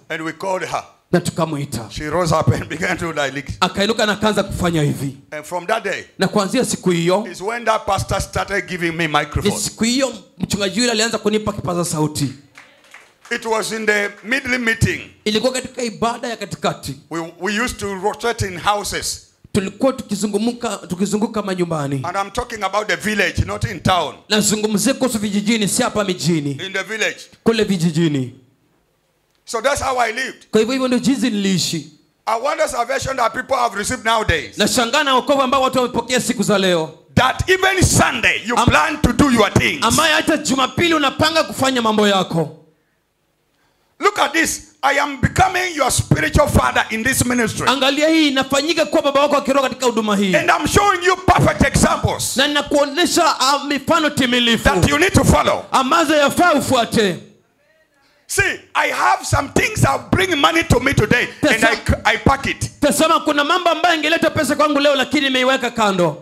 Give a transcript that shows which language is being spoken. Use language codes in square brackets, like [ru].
[en] And we called her. [sw] Na tukamuita. [en] She rose up and began to like. [sw] Akainuka na kaanza kufanya hivi. [en] And from that day. [sw] Na kuanzia siku hiyo. [en] Is when that pastor started giving me microphone. [sw] Siku hiyo mchungaji yule alianza kunipa kipaza sauti. [en] It was in the middle meeting. [sw] Ilikuwa katika ibada ya katikati. [en] We used to rotate in houses. [sw] Tulikuwa tukizunguka manyumbani. [en] And I'm talking about the village, not in town. [sw] Nazungumzia kuhusu vijijini, si hapa mijini. [en] In the village. [sw] Kule vijijini. [en] So that's how I lived. [sw] Kwa hivyo hivyo ndio jinsi niliishi. [en] I wonder salvation that people have received nowadays. [sw] Nashangaa wokovu ambao watu wamepokea siku za leo. [en] That even Sunday you plan to do your things. [sw] Ambaye hata Jumapili unapanga kufanya mambo yako. [en] Look at this. I am becoming your spiritual father in this ministry. [sw] Angalia hii inafanyika kwa baba wako akiroho katika huduma hii. [en] And I'm showing you perfect examples. [sw] Na ninakuonesha mifano timilifu. [en] That you need to follow. [sw] Amazo yafaa ufuate. [en] See, I have some things I'll bring money to me today and I pack it. [sw] Tasema kuna mambo ambayo ingeleta pesa kwangu leo lakini nimeiweka kando.